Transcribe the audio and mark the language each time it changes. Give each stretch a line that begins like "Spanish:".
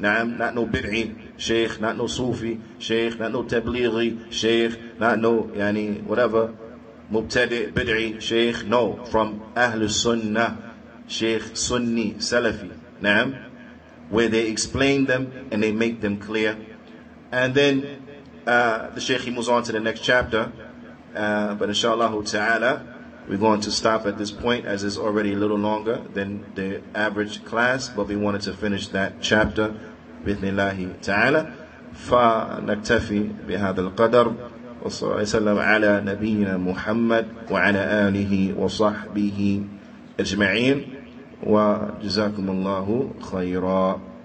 English: نعم, not no بدعي شيخ, not no Sufi شيخ, not no تبليغي شيخ, not no يعني whatever
Arabic: مبتدع بدعي شيخ.
English: No, from أهل السنة, شيخ سني سلفي. نعم, where they explain them and they make them clear. And then the Sheikh, he moves on to the next chapter, but inshallah ta'ala we're going to stop at this point, as it's already a little longer than the average class, but we wanted to finish that chapter بإذن الله تعالى.
Arabic: فنكتفي بهذا القدر, وصلى الله وسلم على نبينا محمد وعلى آله وصحبه أجمعين, وجزاكم الله خيرا.